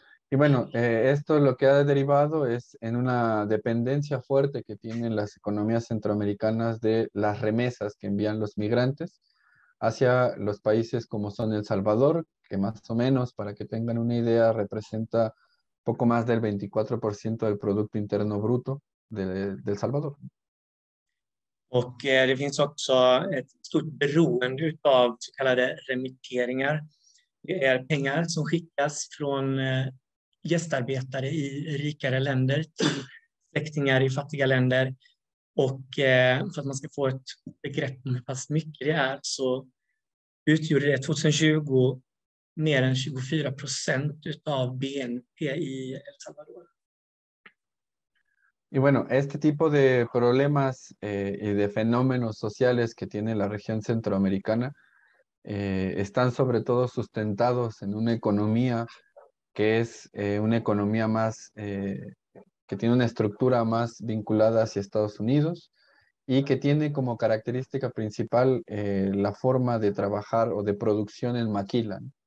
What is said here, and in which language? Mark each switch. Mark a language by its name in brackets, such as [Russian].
[Spanish] Y bueno, esto lo que ha derivado es en una dependencia fuerte que tienen las economías centroamericanas de las remesas que envían los migrantes hacia los países como son El Salvador, que más o menos, para que tengan una idea, representa poco más del 24% del Producto Interno Bruto del Salvador. [Swedish] Och det finns också ett stort beroende av så kallade remitteringar. Det är pengar som skickas från gästarbetare i rikare länder till släktingar i fattiga länder. Och för att man ska få ett begrepp om hur pass mycket det är så utgjorde det 2020 mer än 24% av BNP i El Salvador. [Spanish] Y bueno, este tipo de problemas y de fenómenos sociales que tiene la región centroamericana están sobre todo sustentados en una economía que es una economía más, que tiene una estructura más vinculada hacia Estados Unidos y que tiene como característica principal la forma de trabajar o de producción en maquila.